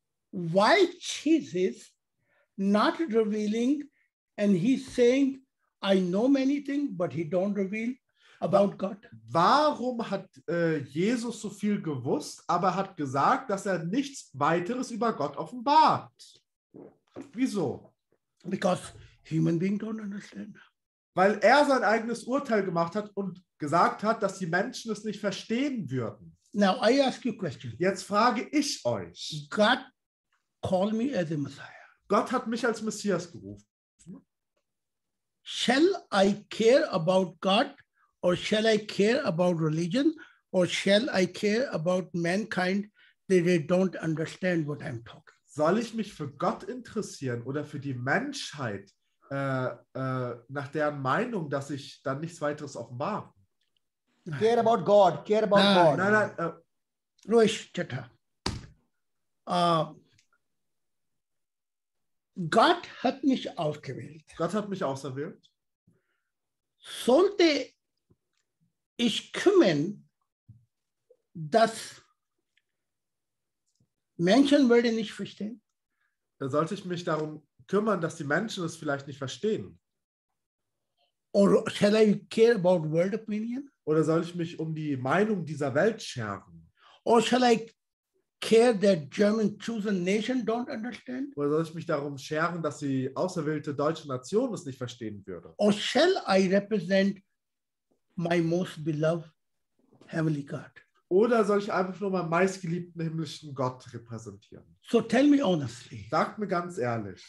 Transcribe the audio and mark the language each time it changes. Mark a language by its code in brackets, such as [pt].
[en] Why Jesus not revealing and he's saying, I know many things, but he don't reveal about God? [de] Warum hat Jesus so viel gewusst, aber hat gesagt, dass er nichts weiteres über Gott offenbart? Wieso? [en] Because human beings don't understand. [de] Weil er sein eigenes Urteil gemacht hat und gesagt hat, dass die Menschen es nicht verstehen würden. [en] Now I ask you a question. [de] Jetzt frage ich euch. [en] God call me as a Messiah. [de] Gott hat mich als Messias gerufen. [en] Shall I care about God or shall I care about religion or shall I care about mankind that they don't understand what I'm talking? [de] Soll ich mich für Gott interessieren oder für die Menschheit, nach deren Meinung, dass ich dann nichts weiteres offenbar? [en] Care about God. Care about [de] nein, [en] God. [de] Nein, Ruhig, Chata. Gott hat mich ausgewählt. Gott hat mich auserwählt. Sollte ich kümmern, dass Menschen würde nicht verstehen? Da sollte ich mich darum kümmern, dass die Menschen es vielleicht nicht verstehen. [en] Or shall I care about world opinion? [de] Oder soll ich mich um die Meinung dieser Welt scheren? [en] Or shall I care that German chosen nation don't understand? [de] Oder soll ich mich darum scheren, dass die auserwählte deutsche Nation es nicht verstehen würde? [en] Or shall I represent my most beloved heavenly God? [de] Oder soll ich einfach nur meinen meistgeliebten himmlischen Gott repräsentieren? [en] So tell me honestly. [de] Sagt mir ganz ehrlich.